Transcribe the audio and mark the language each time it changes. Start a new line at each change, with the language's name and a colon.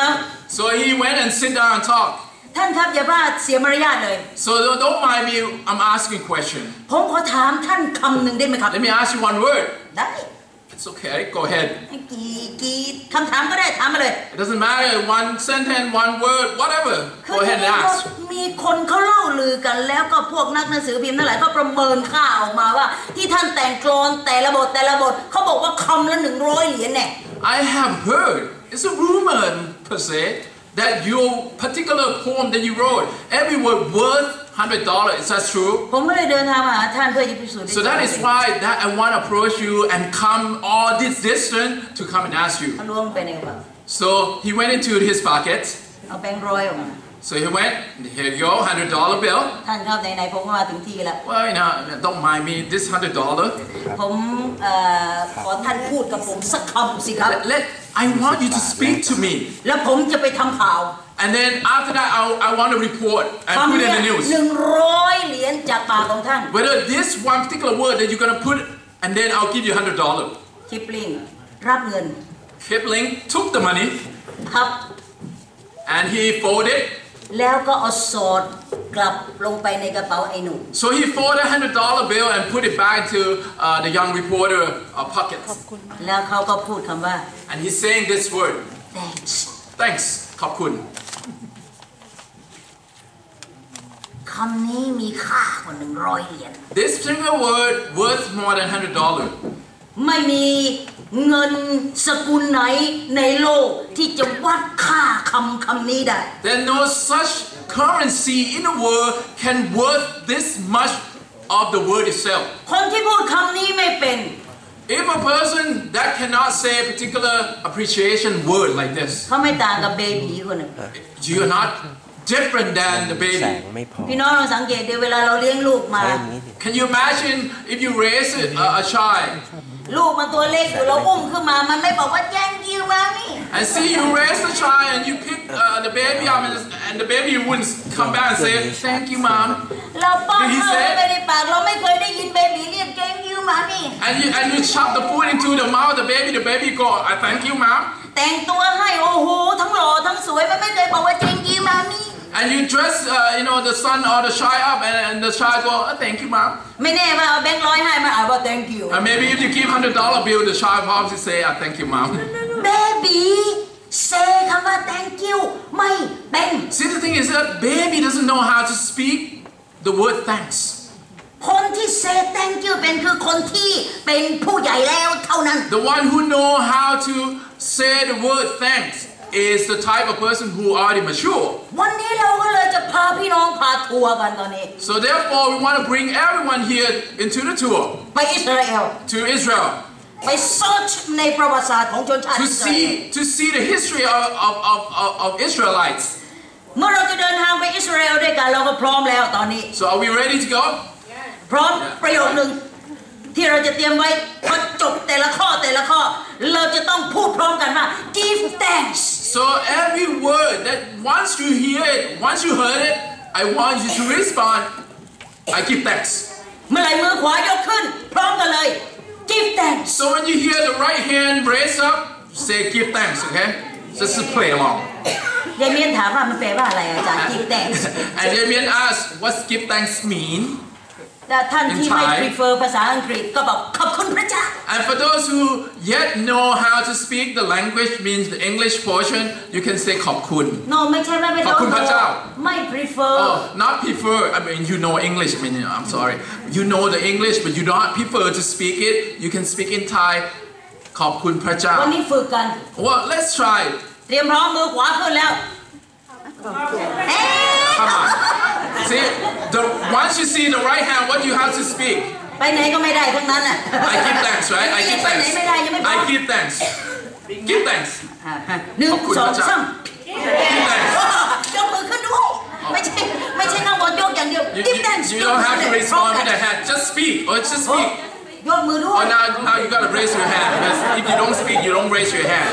English: อ So he went and sit down and talk.
Thai: ท่านครับอย่าว่าเสียมารยาทเลย
English: So don't mind me. I'm asking question.
Thai: ผมขอถามท่านคำหนึ่งได้ไหมครับ
English: Let me ask you one word.
Thai: ได้
English: It's okay. Go ahead.
Thai: กี่คำถามก็ได้ถามมาเลย
English: It doesn't matter. One sentence, one word, whatever. Go ahead and ask.
Thai: มีคนเขาเล่าลือกันแล้วก็พวกนักหนังสือพิมพ์นั่นแหละก็ประเมินค่าออกมาว่าที่ท่านแต่งกลอนแต่ละบทแต่ละบทเขาบอกว่าคำละ100เหรียญเนี่ย
English: I have heard it's a rumor per se that your particular poem that you wrote every word worth $100 is that true
Thai: ผมก็เลยเดินทางมาท่านเพื่อจะพิสูจน์
English: So that is why that I want to approach you and come all this distance to come and ask you
Thai: เขาล้วงไปในกระเป๋า
English: So he went into his pocket
Thai: เอาแบงค์ร้อยออกมา
English: So he went, here you go, $100 bill.
Thai: ท่านครับในผมก็มาถึงที่แล้ว
English: Well, you know, don't mind me, this $100.
Thai: ผมขอท่านพูดกับผมสักคำสิครับ
English: I want you to speak to me.
Thai: แล้วผมจะไปทำข่าว
English: And then after that, I want to report and put it in the news.
Thai: คำ100เหรียญจากปากของท่าน
English: Whether this one particular word that you're going to put, and then I'll give you $100.
Thai: Kipling, รับเงิน
English: Kipling took the money.
Thai: ครับ
English: And he folded it.
Thai: แล้วก็เอาสอดกลับลงไปในกระเป๋าไอ้หนุ่ม
English: so he folded $100 bill and put it back into the young reporter pocket
Thai: แล้วเขาก็พูดคำว่า
English: and he's saying this word thanks
Thai: ขอบคุณ คำนี้มีค่ากว่า100เหรียญ
English: this single word worth more than $100
Thai: ไม่มีเงินสกุลไหนในโลกที่จะวัดค่าคำนี้ได้
English: There's no such currency in the world can worth this much of the word itself
Thai: คนที่พูดคำนี้ไม่เป็น
English: If a person that cannot say a particular appreciation word like this
Thai: เขาไม่ต่างกับเบบีคนนึง
English: You're not different than the baby
Thai: พี่น้องลองสังเกตดูเวลาเราเลี้ยงลูกมา
English: Can you imagine if you raise a child
Thai: ลูกมันตัวเล็กอยู่เราอุ้มขึ้นมามันไม่บอกว่า
English: thank you mommy and see you raise the child and you pick the baby up and the baby wouldn't come back and say thank you mom
Thai: เราป้อนข้าวไปในปากเราไม่เคยได้ยินเบบี้เรียก
English: thank you mommy and you chop the food into the mouth of the baby go I thank you mom
Thai: แต่งตัวให้โอ้โหทั้งหล่อทั้งสวยมันไม่เคยบอกว่า
English: thank you mommy And you dress, you know, the son or the child up, and the child go, oh, thank you, mom. And maybe if you give $100 bill, the child probably say, oh, thank you, mom. Baby, say
Thai: คำว่า
English: thank you,
Thai: ไม่เป็น
English: See, the thing is that baby doesn't know how to speak the word thanks.
Thai: คนที่
English: say thank you
Thai: เป็นคือคนที่เป็นผู้ใหญ่แล้วเท่านั้น
English: The one who know how to say the word thanks. Is the type of person who already mature.
Thai: วันนี้เราก็เลยจะพาพี่น้องพาทัวร์กันตอนนี้
English: So therefore we want to bring everyone here into the tour.
Thai: ไปอิสราเอล
English: To Israel.
Thai: ไป search ในประวัติศาสตร์ของชนชาติ
English: To see the history of Israelites.
Thai: เมื่อเราจะเดินทางไปอิสราเอลด้วยกันเราก็พร้อมแล้วตอนนี้
English: So are we ready to go?
Thai: พร้อมประโยคหนึ่งที่เราจะเตรียมไว้พอจบแต่ละข้อเราจะต้องพูดพร้อมกันว่า
English: give thanks so every word that once you hear it once you heard it I want you to respond I give thanks
Thai: เมื่อไหร่มือขวายกขึ้นพร้อมกันเลย
English: give thanks so when you hear the right hand raise up say give thanks okay so just play along
Thai: ยายเมียนถามว่ามันแปลว่าอะไรอาจารย์
English: give thanks and ยายเมียน ask what give thanks mean
Thai: แต่ท่านที่ไม่ prefer ภาษาอังกฤษก็บอกขอบคุณพระเจ้า
English: And for those who yet know how to speak the language means the English portion you can say
Thai: ขอบคุณ No ไม่ใช่ว่าไม่รู้ ขอบคุณพระเจ้า ไม่ prefer
English: Oh not prefer I mean you know English I mean I'm sorry you know the English but you don't prefer to speak it you can speak in Thai
Thai: ขอบคุณพระเจ้า วันนี้ฝึกกัน
English: Well let's try
Thai: เตรียมพร้อมมือขวาขึ้นแล้ว
English: Come on. See, once you see the right hand, what do you have to speak?
Thai: ไปไหนก็ไม่ได้ทั้งนั้นอ่ ะ
English: I give thanks, right? I give thanks.
Thai: ไปไหนไม่ได้ยังไม่พอ
English: I give thanks. Give thanks.
Thai: หนึ่งสองสาม
English: Give thanks.
Thai: ยกมือขึ้นด้วยไม่ใช่นั่งบนยกอย่างเดียว
English: Give thanks. You don't have to respond with a hand. Just speak. Or just speak. Oh, now you gotta raise your hand because if you don't speak, you don't raise your hand.